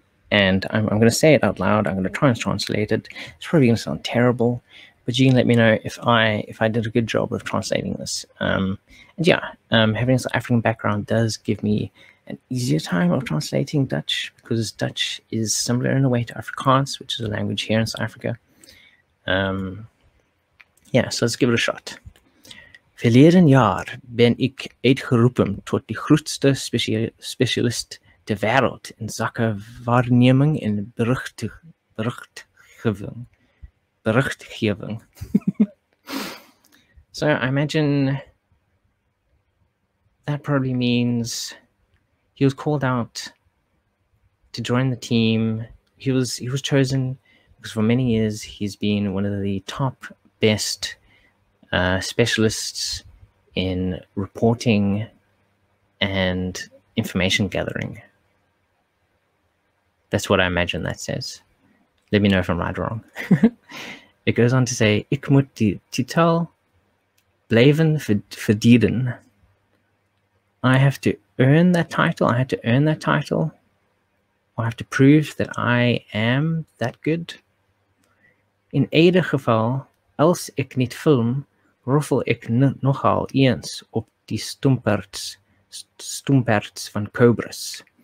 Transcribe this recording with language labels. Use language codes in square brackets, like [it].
[en] And I'm going to say it out loud. I'm going to try and translate it. It's probably going to sound terrible, but you can let me know if I did a good job of translating this. Having this African background does give me an easier time of translating Dutch, because Dutch is similar in a way to Afrikaans, which is a language here in South Africa. So let's give it a shot. [nl] Verleden jaar ben ik uitgeroepen tot de grootste specialist ter wereld in zaken waarneming en berichtgeving. [en] So I imagine that probably means he was called out to join the team. He was chosen because for many years he's been one of the top best specialists in reporting and information gathering. That's what I imagine that says. Let me know if I'm right or wrong. It goes on to say, [nl] ik moet de titel blijven verdienen. [en] I have to earn that title. I had to earn that title. I have to prove that I am that good. [nl] In ieder geval, als ik niet film, roffel ik nogal eens op die stumperts van cobras.